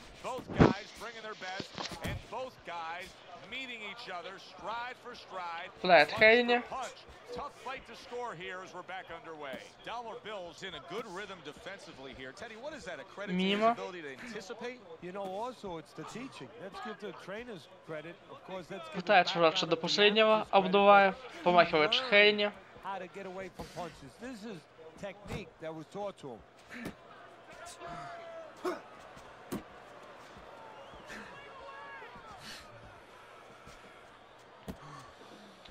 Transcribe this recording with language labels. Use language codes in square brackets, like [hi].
[en] Both guys bringing their best, and both guys meeting each other stride for stride. Flat Hayne. Tough fight to score here as we're back underway. Dollar Bill's in a good rhythm defensively here. Teddy, what is that, a credit to his ability to anticipate? You know, also, it's the teaching. Let's give the trainer's credit. Of course, that's good. [ru] Пытается врываться до последнего, Абдуллаев, помахивает Хейни. [en] How to get away from punches. This is technique that was taught to him.